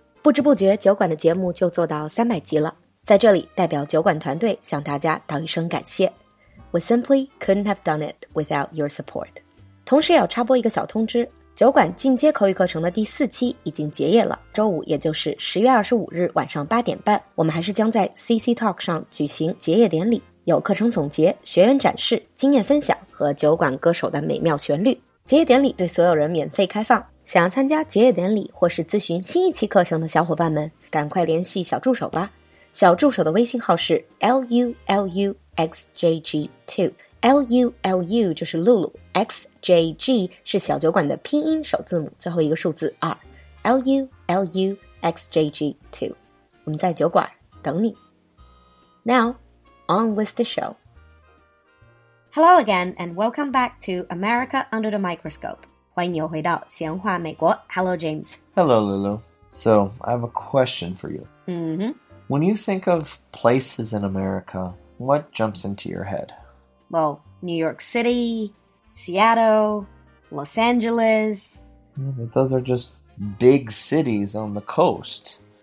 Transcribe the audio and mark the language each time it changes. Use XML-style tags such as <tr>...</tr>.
<zh>不知不觉酒馆的节目就做到300集了。在这里代表酒馆团队向大家道一声感谢。</zh> <en>We simply couldn't have done it without your support.</en> <zh>同时要插播一个小通知，酒馆进阶口语课程的第四期已经结业了，周五也就是10月25日晚上8:30，我们还是将在 CC Talk 上举行结业典礼，有课程总结、学员展示、经验分享和酒馆歌手的美妙旋律。结业典礼对所有人免费开放，想要参加结业典礼或是咨询新一期课程的小伙伴们，赶快联系小助手吧。小助手的微信号是 LULUXJG2， LULU 就是露露， XJG 是小酒馆的拼音首字母最后一个数字2， LULUXJG2， 我们在酒馆等你。</zh> <en>Now on with the show. Hello again and welcome back to America Under the Microscope.</en> <zh>欢迎你又回到闲话美国。</zh> <en>Hello James. Hello Lulu. So I have a question for you. When you think of places in America, what jumps into your head? Well, New York City, Seattle, Los Angeles. But those are just big cities on the coast.</en>